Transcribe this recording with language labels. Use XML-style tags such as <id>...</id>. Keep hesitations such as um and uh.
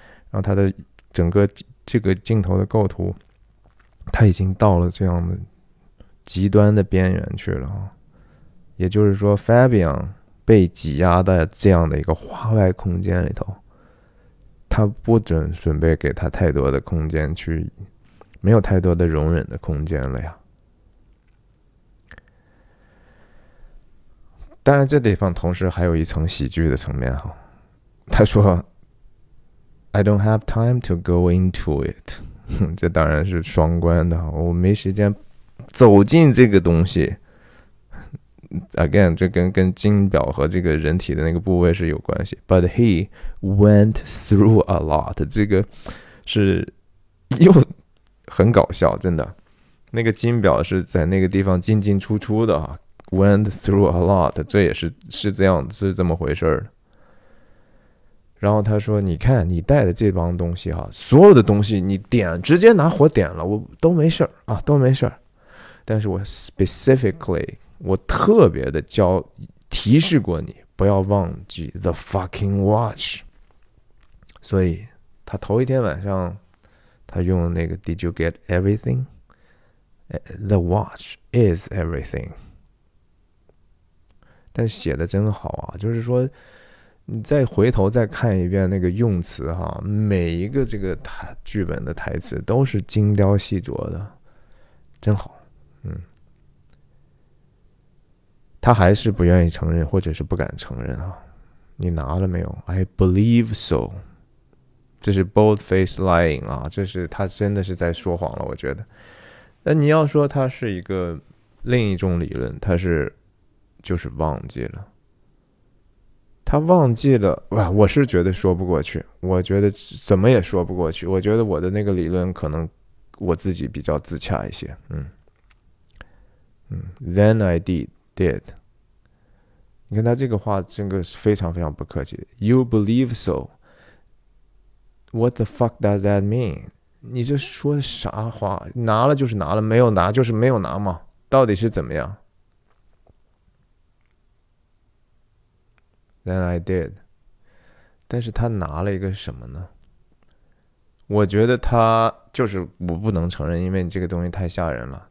<zh>然后他的整个这个镜头的构图。他已经到了这样的极端的边缘去了啊，也就是说，Fabian 被挤压在这样的一个画外空间里头，他不准准备给他太多的空间去，没有太多的容忍的空间了呀。当然，这地方同时还有一层喜剧的层面哈。他说：“</zh> <en>I don't have time to go into it。</en> <zh>”哼，这当然是双关的。我没时间走进这个东西。Again，这跟跟金表和这个人体的那个部位是有关系。</zh> <en>But he went through a lot。</en> <zh>这个是又很搞笑，真的。那个金表是在那个地方进进出出的。啊。</zh> <en>Went through a lot，</en> <zh>这也是是这样是这么回事儿的。然后他说：“你看，你带的这帮东西哈，所有的东西你点直接拿火点了，我都没事儿啊，都没事儿。但是我 specifically，我特别的教提示过你，不要忘记</zh> <en>the fucking watch。</en> <zh>所以他头一天晚上，他用那个</zh> <en>did you get everything？The watch is everything。</en> <zh>但写的真好啊，就是说。 ”你再回头再看一遍那个用词哈，每一个这个台剧本的台词都是精雕细琢的，真好，嗯。他还是不愿意承认，或者是不敢承认啊。你拿了没有？</zh> <en>I believe so。</en> <zh>这是 bold face lying 啊，这是他真的是在说谎了，我觉得。那你要说他是一个另一种理论，他是就是忘记了。他忘记了哇！我是觉得说不过去，我觉得怎么也说不过去。我觉得我的那个理论可能我自己比较自洽一些。</zh> <en>嗯嗯，Then I did did。</en> <zh>你看他这个话，真、这、的、个、是非常非常不客气的。</zh> <en>You believe so? What the fuck does that mean?</en> <zh>你这说的啥话？拿了就是拿了，没有拿就是没有拿嘛？到底是怎么样？</zh> <en>Than I did，</en> <zh>但是他拿了一个什么呢？我觉得他就是我不能承认，因为你这个东西太吓人了。</zh>